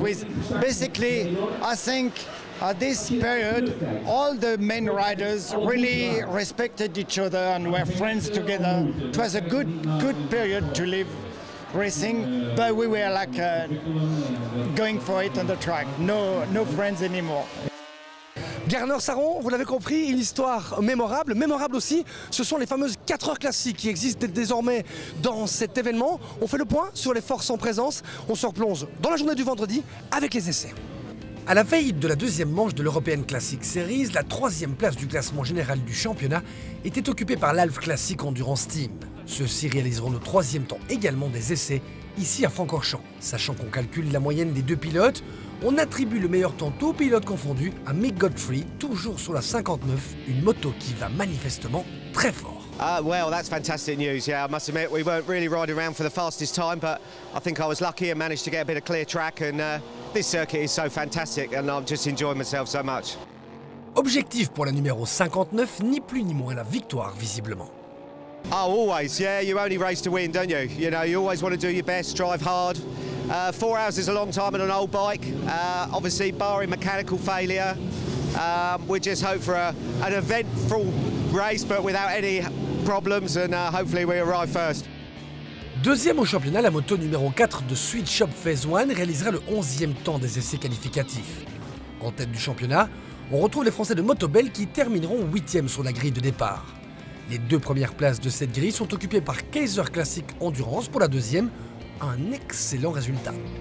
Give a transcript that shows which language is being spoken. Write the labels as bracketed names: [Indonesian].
[English] With basically, I think at this period, all the main riders really respected each other and were friends together. It was a good period to live racing, but we were like going for it on the track. No friends anymore. [French] Gardner Sarron, vous l'avez compris, une histoire mémorable. Mémorable aussi, ce sont les fameuses 4 heures classiques qui existent désormais dans cet événement. On fait le point sur les forces en présence. On se replonge dans la journée du vendredi avec les essais. À la veille de la deuxième manche de l'European Classic Series, la troisième place du classement général du championnat était occupée par l'Alf Classic Endurance Team. Ceux-ci réaliseront le troisième temps également des essais ici à Francorchamps. Sachant qu'on calcule la moyenne des deux pilotes, on attribue le meilleur temps tous pilotes confondus à Mick Godfrey, toujours sur la 59, une moto qui va manifestement très fort. [English] Well, that's fantastic news. Yeah, I must admit, we weren't really riding around for the fastest time, but I think I was lucky and managed to get a bit of clear track, and this circuit is so fantastic, and I'm just enjoying myself so much. [French] Objectif pour la numéro 59, ni plus ni moins la victoire, visiblement. [English] Oh, always, yeah, you only race to win, don't you? You know, you always want to do your best, drive hard. 4 hours is a long time on an old bike. Obviously, barring mechanical failure, we just hope for an eventful race, but without any problems, and hopefully we arrive first. [French] Deuxième au championnat, la moto numéro 4 de Sweet Shop Phase 1 réalisera le 11e temps des essais qualificatifs. En tête du championnat, on retrouve les Français de Motobel qui termineront 8e sur la grille de départ. Les deux premières places de cette grille sont occupées par Kaiser Classic Endurance pour la deuxième, un excellent résultat.